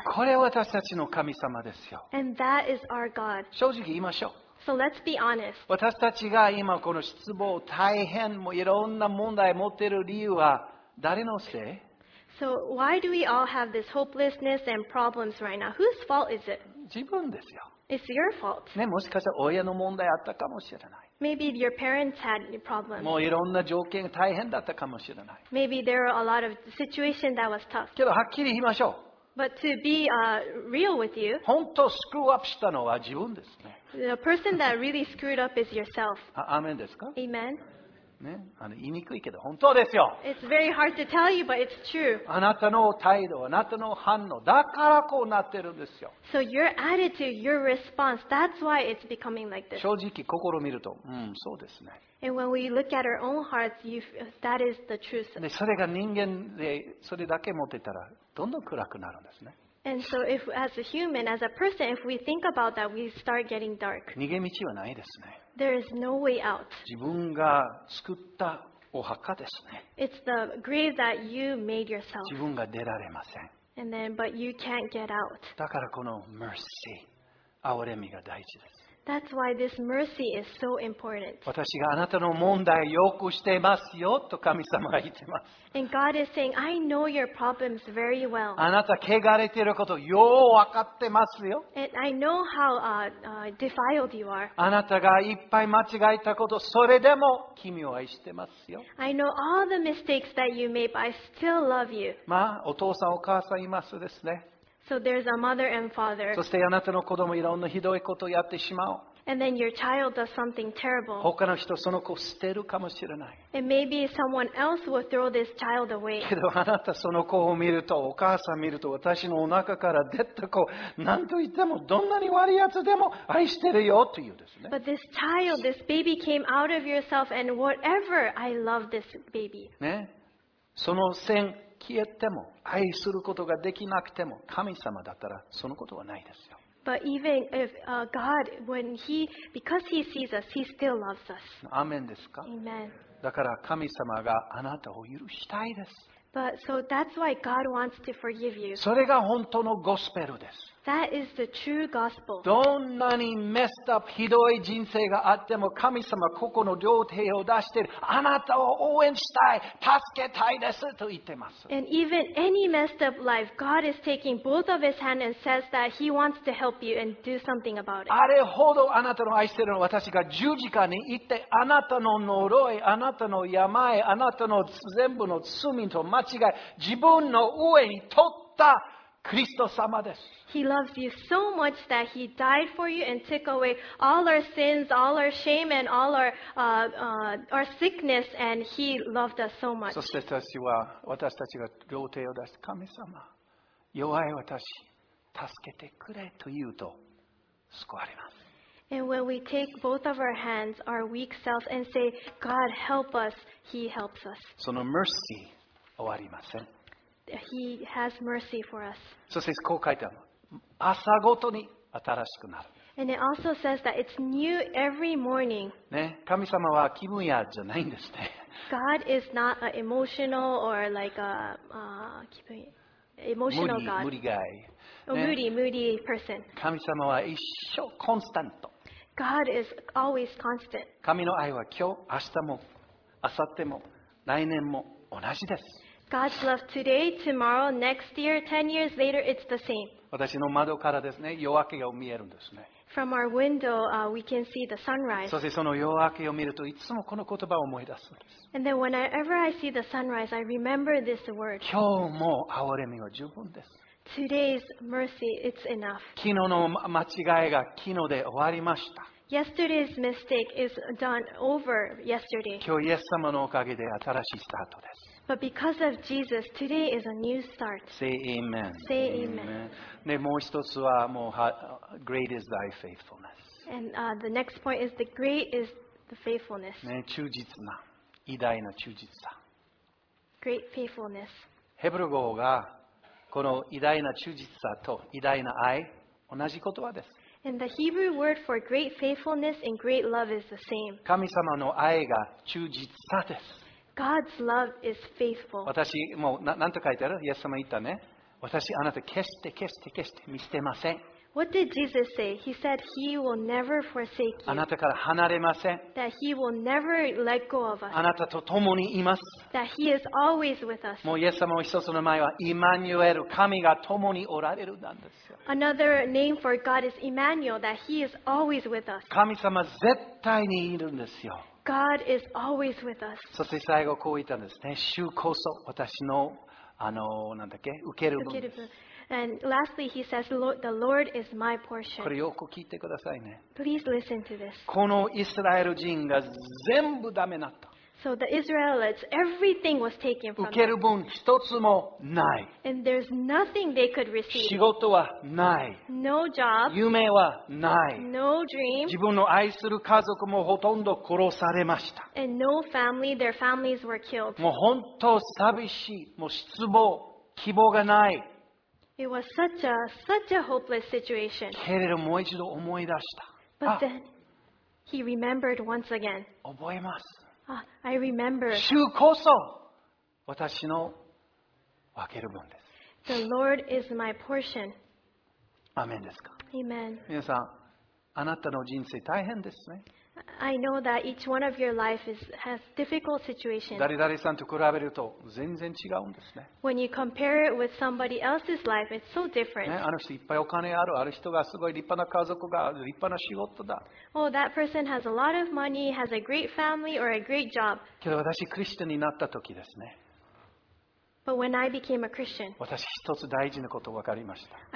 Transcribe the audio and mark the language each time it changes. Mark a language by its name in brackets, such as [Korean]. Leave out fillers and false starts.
[Japanese] これ私たちの神様ですよ。 [English] And that is our God. [Japanese] 正直言いましょう。 [English] So let's be honest. [Japanese] 私たちが今この失望、大変、もういろんな問題を持っている理由は誰のせい？ [English] So why do we all have this hopelessness and problems right now? Whose fault is it? [Japanese] 自分ですよ。 [English] It's your fault. [Japanese] ね、もしかしたら親の問題あったかもしれない。 [English] Maybe your parents had any problems. [Japanese] もういろんな条件大変だったかもしれない。 [English] Maybe there were a lot of situation that was tough. [Japanese] けどはっきり言いましょう。 [English] But to be real with you, [Japanese] 本当スクーアップしたのは自分ですね。 [English] The person that really screwed up is yourself. [Japanese] アーメンですか？ [English] Amen. [Japanese] ね、言いにくいけど本当ですよ。 [English] It's very hard to tell you, but it's true. [Japanese] あなたの態度、あなたの反応だからこうなってるんですよ。 [English] So your attitude, your response, that's why it's becoming like this. [Japanese] 正直心を見ると、そうですね。 [English] And when we look at our own hearts, that is the truth. [Japanese] で、それが人間でそれだけ持ってたらどんどん暗くなるんですね。 [English] And so, if as a human, as a person, if we think about that, we start getting dark. [Japanese] 逃げ道はないですね。 [English] There is no way out. [Japanese] 自分が作ったお墓ですね。 [English] It's the grave that you made yourself. [Japanese] 自分が出られません。 [English] And then, but you can't get out. [Japanese] だからこの mercy、憐れみが大事です。 [English] That's why this mercy is so important. [Japanese] 私があなたの問題をよく知ってますよと神様が言ってます。 [English] And God is saying, I know your problems very well. [Japanese] あなた汚れていることよう分かってますよ。 [English] And I know how defiled you are. [Japanese] あなたがいっぱい間違えたこと、それでも君を愛してますよ。 [English] I know all the mistakes that you made, but I still love you. [Japanese] まあ、お父さんお母さんいますですね。 [English] So there's a mother and father. [Japanese] そしてあなたの子供いろんなひどいことをやってしまう。 [English] And then your child does something terrible. [Japanese] 他の人その子を捨てるかもしれない。 [English] And maybe someone else will throw this child away. [Japanese] けどあなたその子を見ると、お母さん見ると、私のお腹から出た子、何と言ってもどんなに悪いやつでも愛してるよというですね。 [English] But this child, this baby came out of yourself, and whatever, I love this baby. [Japanese] ね、その線。消えても愛することができなくても神様だったらそのことはないですよ。 [English] But even if God, when He, because He sees us, He still loves us. [Japanese] アーメンですか？ [English] Amen. [Japanese] だから神様があなたを許したいです。 [English] But so that's why God wants to forgive you. [Japanese] それが本当のゴスペルです。 [English] That is the true gospel. [Japanese] どんなに [English] messed up [Japanese] ひどい人生があっても神様ここの両手を出してあなたを応援したい助けたいですと言ってます。 [English] And even any messed up life, God is taking both of His hand and says that He wants to help you and do something about it. [Japanese] あれほどあなたの愛してるの私が十字架に行ってあなたの呪いあなたの病あなたの全部の罪と間違い自分の上に取ったクリスト様です。 [English] He loves you so much that He died for you and took away all our sins, all our shame, and all our sickness, and He loved us so much. [Japanese] そして私は私たちが両手を出して神様、弱い私、助けてくれと言うと救われます。 [English] And when we take both of our hands, our weak selves, and say, God, help us, He helps us. [Japanese] その mercy 終わりません。 [English] He has mercy for us. [Japanese] そしてこう書いてある。朝ごとに新しくなる。 [English] And it also says that it's new every morning. [Japanese] ね、神様は気分屋じゃないんですね。 [English] God is not an emotional or like a 気分emotional God. [Japanese] 無理がい。 [English] Moody person. [Japanese] 神様は一生コンスタント。 [English] God is always constant. [Japanese] 神の愛は今日、明日も、明後日も、来年も同じです。 [English] God's love today, tomorrow, next year, 10 years later, it's the same. [Japanese] 私の窓からですね、夜明けが見えるんですね。 [English] From our window, we can see the sunrise. [Japanese] そしてその夜明けを見ると、いつもこの言葉を思い出すんです。 [English] And then whenever I see the sunrise, I remember this word. [Japanese] 今日も憐れみは十分です。 [English] Today's mercy, it's enough. [Japanese] 昨日の間違いが昨日で終わりました。 [English] Yesterday's mistake is done over yesterday. [Japanese] 今日、イエス様のおかげで新しいスタートです。 [English] But because of Jesus, today is a new start. Say amen. Say amen. [Japanese] ね、もう一つはもう、 [English] Great is thy faithfulness. And the next point is the great is the faithfulness. [Japanese] ね、忠実な、偉大な忠実さ。 [English] Great faithfulness. [Japanese] ヘブル語がこの偉大な忠実さと偉大な愛、同じ言葉です。 [English] And the Hebrew word for great faithfulness and great love is the same. [Japanese] 神様の愛が忠実さです。 [English] God's love is faithful. [Japanese] 私もう何と書いてある？イエス様言ったね。私あなた決して決して決して見捨てません。 [English] What did Jesus say? He said he will never forsake you. [Japanese] あなたから離れません。 [English] That he will never let go of us. [Japanese] あなたと共にいます。 [English] That he is always with us. [Japanese] もうイエス様の一つの名前はイマニュエル、神が共におられるなんですよ。 [English] Another name for God is Emmanuel, that he is always with us. [Japanese] 神様絶対にいるんですよ。 [English] God is always with us. [Japanese] そして最後こう言ったんですね。主こそ私の、なんだっけ、受ける分です。 [English] And lastly, he says, "The Lord is my portion." [Japanese] これよく聞いてくださいね。 [English] Please listen to this. [Japanese] このイスラエル人が全部ダメになった。 [English] So the Israelites, everything was taken from them. [Japanese] 受ける分一つもない。 [English] And there's nothing they could receive. [Japanese] 仕事はない。 [English] No job. [Japanese] 夢はない。 [English] No dream. [Japanese] 自分の愛する家族もほとんど殺されました。 [English] And no family. Their families were killed. [Japanese] もう本当寂しい。もう失望。希望がない。 [English] It was such a hopeless situation. [Japanese] けれどもう一度思い出した。 [English] But then he remembered once again. [Japanese] 覚えます。 [English] I remember. [Japanese] 主こそ私の分ける分です。 [English] The Lord is my portion. [Japanese] アメンですか。 [English] Amen. [Japanese] 皆さん、あなたの人生大変ですね。 [English] I know that each one of your life has difficult situations. [Japanese] 誰々さんと比べると全然違うんですね。 [English] When you compare it with somebody else's life, it's so different. [Japanese] ね、あの人いっぱいお金ある、ある人がすごい立派な家族が立派な仕事だ。 [English] Oh, that person has a lot of money, has a great family or a great job. [Japanese] けど私クリスチャンになった時ですね。 [English] But when I became a Christian, [Japanese] 私一つ大事なことを分かりました。